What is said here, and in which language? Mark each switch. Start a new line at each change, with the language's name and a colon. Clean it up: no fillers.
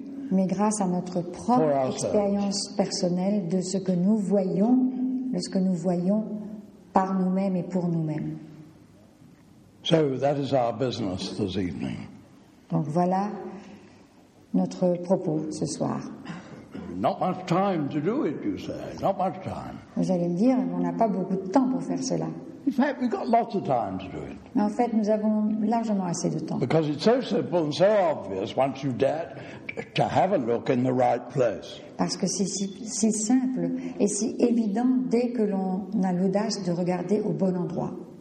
French: Mais grâce à notre propre expérience personnelle de ce que nous voyons, de ce que nous voyons par nous-mêmes et pour nous-mêmes.
English: So that is our business this evening.
French: Donc voilà notre propos ce soir.
English: Not much time to do it, you say. Not much time.
French: Vous allez me dire, on n'a pas beaucoup de temps pour faire cela.
English: In fact, we've got lots of time to do it.
French: Mais en fait, nous avons largement assez de temps.
English: Because it's so simple and so obvious once you dare to have a look in the right place.
French: Parce que c'est si simple et si évident dès que l'on a l'audace de regarder au bon endroit.